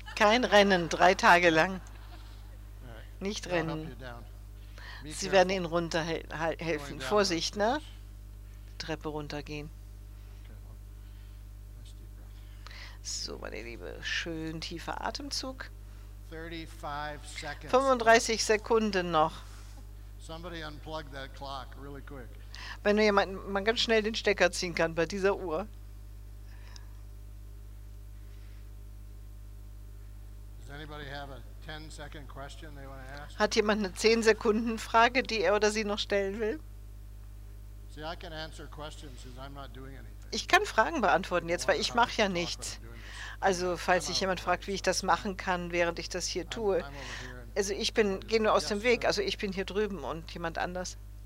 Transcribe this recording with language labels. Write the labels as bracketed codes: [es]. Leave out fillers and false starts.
[de] Kein Rennen, 3 Tage lang. Nicht rennen. Sie werden ihn runterhelfen. Vorsicht, ne? Treppe runtergehen. So, meine Liebe, schön tiefer Atemzug. 35 Sekunden noch. [en] Somebody unplug that clock really quick. [de] Wenn jemand mal ganz schnell den Stecker ziehen kann bei dieser Uhr. [en] Does anybody have a 10-second question they want to ask? [de] Hat jemand eine 10-Sekunden-Frage, die er oder sie noch stellen will? [en] See, I can answer questions since I'm not doing anything. [de] Ich kann Fragen beantworten jetzt, weil ich mache ja nichts. Also falls sich jemand fragt, wie ich das machen kann, während ich das hier tue. Also ich bin, gehe nur aus dem Weg, also ich bin hier drüben und jemand anders.